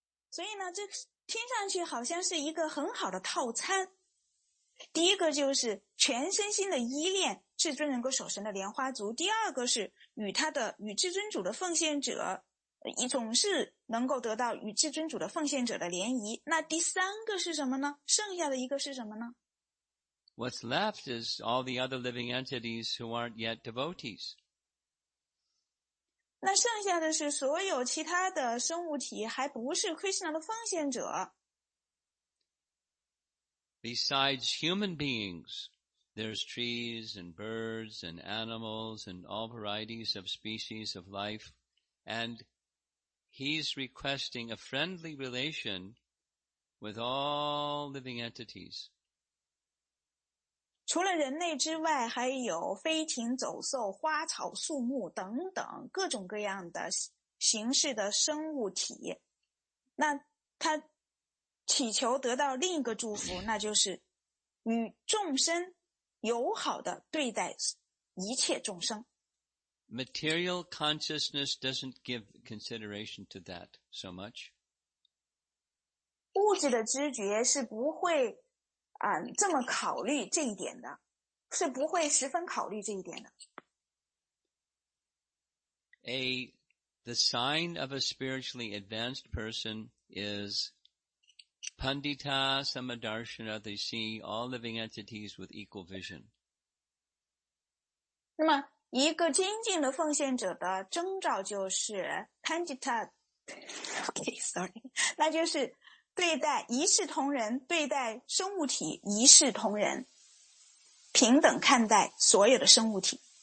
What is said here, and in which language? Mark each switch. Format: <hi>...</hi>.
<zh>所以呢，这听上去好像是一个很好的套餐。第一个就是全身心的依恋。至尊人格守神的莲花族，第二个是与至尊主的奉献者，总是能够得到与至尊主的奉献者的联谊。那第三个是什么呢？剩下的一个是什么呢？</zh> <en>What's left is all the other living entities who aren't yet devotees.</en> <zh>那剩下的是所有其他的生物体还不是 Krishna 的奉献者。</zh> <en>Besides human beings,There's trees and birds and animals and all varieties of species of life. And he's requesting a friendly relation with all living entities.</en> <zh>除了人类之外，还有飞禽走兽、花草树木等等各种各样的形式的生物体。那他祈求得到另一个祝福，那就是与众生友好的对待一切众生。</zh> <en>Material consciousness doesn't give consideration to that so much.</en> <zh>物质的知觉是不会这么考虑这一点的，是不会十分考虑这一点的。</zh> <en>The sign of a spiritually advanced person is Pandita Samadarshana, they see all living entities with equal vision.</en> <zh>那么一个精进的奉献者的征兆就是 Pandita,</zh> <en>okay, sorry,</en> <zh>那就是对待一视同仁，对待生物体一视同仁，平等看待所有的生物体。</zh>